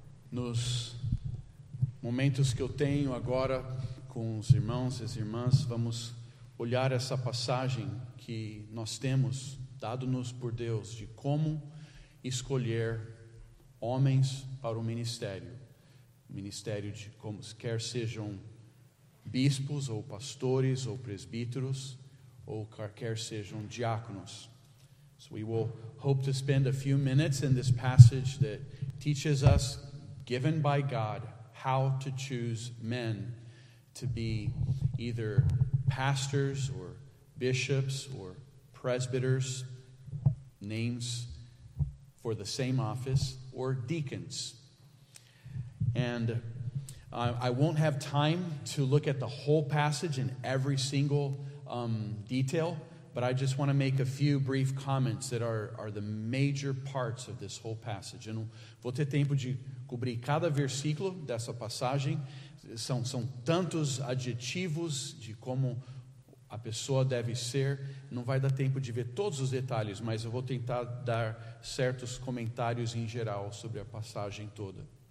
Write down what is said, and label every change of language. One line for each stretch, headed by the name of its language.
Portuguese: Nos momentos que eu tenho agora com os irmãos e as irmãs, vamos olhar essa passagem que nós temos, dado-nos por Deus, de como escolher homens para o ministério. Ministério de como, quer sejam bispos, ou pastores, ou presbíteros, ou quer sejam diáconos.
English: So we will hope to spend a few minutes in this passage that teaches us, given by God, how to choose men to be either pastors or bishops or presbyters, names for the same office, or deacons. And I won't have time to look at the whole passage in every single detail, but I just want to make a few brief comments that are the major parts of this whole passage.
Portuguese: And vou ter tempo de cobrir cada versículo dessa passagem. São tantos adjetivos de como a pessoa deve ser, não vai dar tempo de ver todos os detalhes, mas eu vou tentar dar certos comentários em geral sobre a passagem toda.